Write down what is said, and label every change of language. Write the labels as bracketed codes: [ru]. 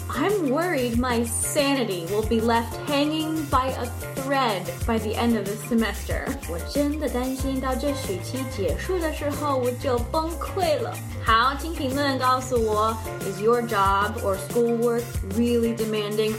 [en] I'm worried my sanity will be left hanging by a thread by the end of the semester. [zh] 我真的担心到这学期结束的时候我就崩溃了。好，请评论告诉我， [en] Is your job or schoolwork really demanding?